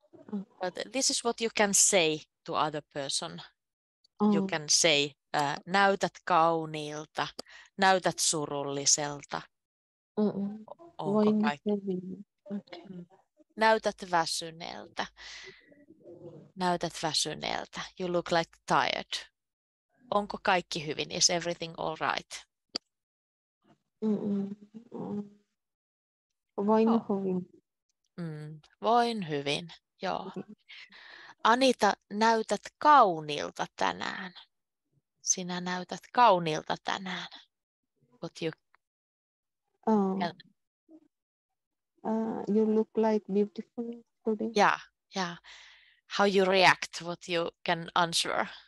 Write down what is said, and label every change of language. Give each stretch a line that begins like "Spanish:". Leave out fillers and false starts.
English: But this is what you can say to other person. You can say,
Finnish: näytät kauniilta. Näytät surulliselta. Voin hyvin. Okay. Näytät väsyneeltä. Näytät väsyneeltä.
English: You look like tired.
Finnish: Onko kaikki hyvin?
English: Is everything all right?
Finnish: Voin hyvin. Voin hyvin, joo. Anita, näytät kauniilta tänään. Sinä näytät kauniilta tänään.
English: What you... You look like beautiful today. Yeah, yeah. How you react, what you can answer.